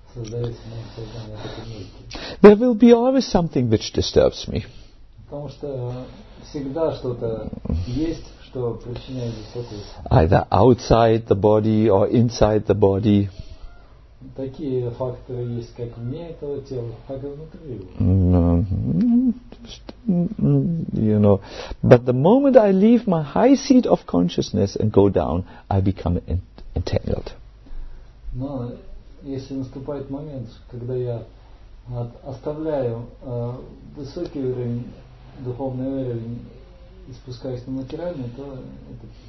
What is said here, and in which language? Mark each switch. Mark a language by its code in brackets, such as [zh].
[en] There will be always something which disturbs me. Either outside the body or inside the body. [ru] Такие факторы есть как вне этого тела, так и внутри его. [en] You know, but the moment I leave my high seat of consciousness and go down, I become entangled. [ru] Но если наступает момент, когда я оставляю высокий уровень, духовный уровень и спускаюсь на материальный, то это...